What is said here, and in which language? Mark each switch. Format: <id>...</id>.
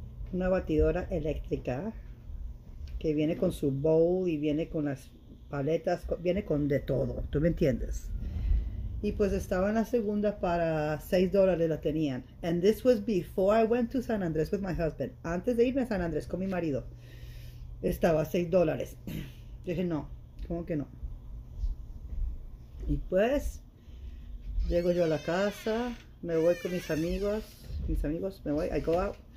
<es>Una batidora eléctrica que viene con su bowl y viene con las paletas, viene con de todo, ¿tú me entiendes? Y pues estaba en la segunda para $6 la tenían.</es> <en>And this was before I went to San Andrés with my husband.</en> <es>Antes de irme a San Andrés con mi marido, estaba $6. Yo dije, no, ¿cómo que no? Y pues, llego yo a la casa, me voy con mis amigos, me voy,</es> <en>I go out.</en>